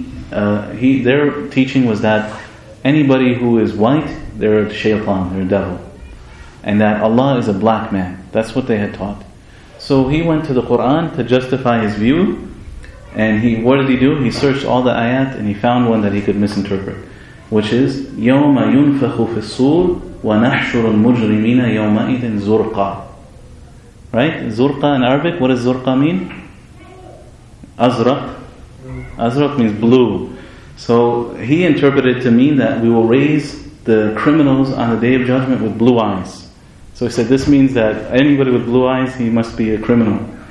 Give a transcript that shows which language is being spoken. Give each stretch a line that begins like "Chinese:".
English: Their teaching was that anybody who is white, they're a shaytan, they're a devil. And that Allah is a black man. That's what they had taught. So he went to the Quran to justify his view. And what did he do? He searched all the ayat and he found one that he could misinterpret. Which is
Arabic: يَوْمَ يُنْفَخُ فِي الصُّورِ وَنَحْشُرُ الْمُجْرِمِينَ يَوْمَئِذٍ زُرْقَى.
English: Right? Zurqa in Arabic, what does zurqa mean? Azraq. Azraq means blue. So he interpreted it to mean that we will raise the criminals on the Day of Judgment with blue eyes. So he said this means that anybody with blue eyes, he must be a criminal.